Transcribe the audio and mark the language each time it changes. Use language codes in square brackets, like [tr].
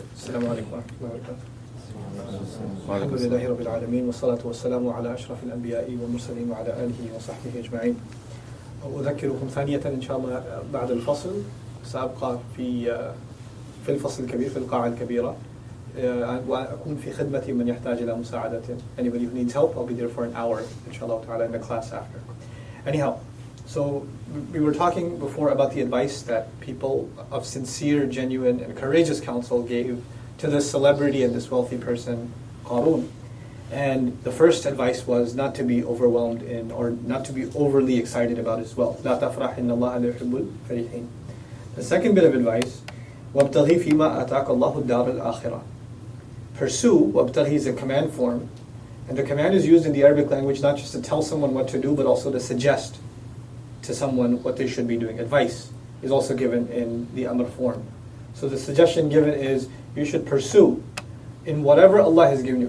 [ar] السلام عليكم ورحمة الله وبركاته. الحمد لله رب العالمين والصلاة والسلام على أشرف الأنبياء والمرسلين وعلى آله وصحبه أجمعين. أذكركم ثانية إن شاء الله بعد الفصل سأبقى في الفصل الكبير في القاعة الكبيرة وأكون في خدمة من يحتاج إلى مساعدة. [en] Anybody who needs help, I'll be there for an hour [ar] إن شاء الله تعالى [en] in the class after. Anyhow, so we were talking before about the advice that people of sincere, genuine, and courageous counsel gave to this celebrity and this wealthy person, Qarun. And the first advice was not to be overwhelmed in, or not to be overly excited about his wealth. [ar] لا تفرح إن الله لا يحب الفرحين. [en] The second bit of advice, [ar] وابتغي فيما أتاك الله الدار الآخرة. [en] Pursue, وابتغي is a command form. And the command is used in the Arabic language not just to tell someone what to do, but also to suggest to someone what they should be doing. Advice is also given in the Amr form. So the suggestion given is, you should pursue in whatever Allah has given you.